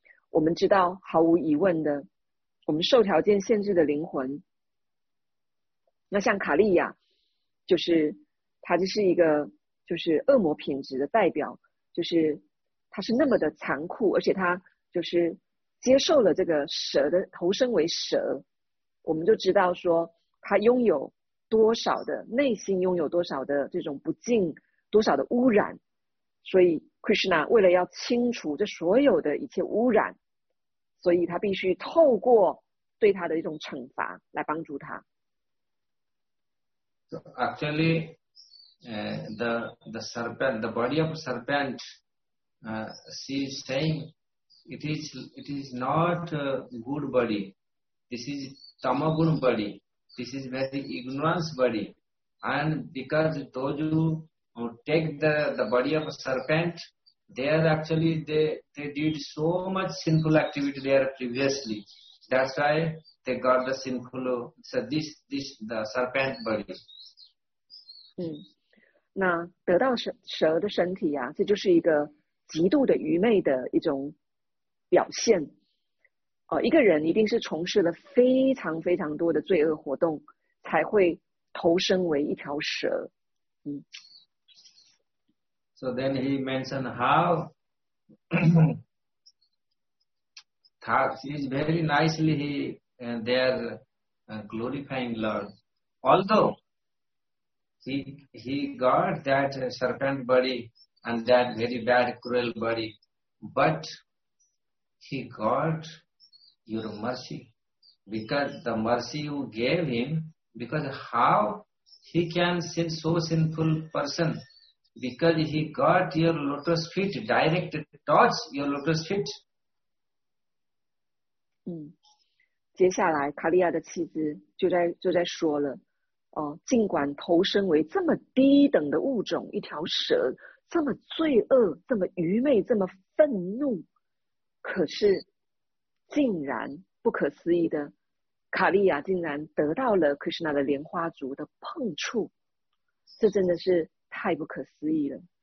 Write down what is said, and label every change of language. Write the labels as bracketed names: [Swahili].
[Chinese] 我们知道毫无疑问的，我们受条件限制的灵魂，那像卡利亚就是他，这是一个就是恶魔品质的代表，就是他是那么的残酷，而且他就是接受了这个蛇的投生为蛇，我们就知道说他拥有多少的内心，拥有多少的这种不净，多少的污染。所以 Krishna 为了要清除这所有的一切污染，所以他必须透过对他的一种惩罚来帮助他。 [English] So actually, the serpent, the body of serpent, she is saying it is not a good body. This is tamagun body. This is very ignorance body. And because those who take the body of a serpent, they are actually they did so much sinful activity there previously. That's why they got the sinful. So this the serpent body. [Chinese] 那得到蛇的身体啊，这就是一个极度的愚昧的一种表现。一个人一定是从事了非常非常多的罪恶活动，才会投生为一条蛇。 [English] So then he mentioned how he's very nicely there glorifying Lord. Although,He got that serpent body and that very bad, cruel body, but he got your mercy, because the mercy you gave him, because how he can sin so sinful person, because he got your lotus feet, direct touch your lotus feet. [Chinese] 接下来卡利亚的妻子就在说了，尽管投身为这么低等的物种，一条蛇，这么罪恶，这么愚昧，这么愤怒，可是竟然不可思议的，卡利亚竟然得到了 Krishna 的莲花足的碰触，这真的是太不可思议了。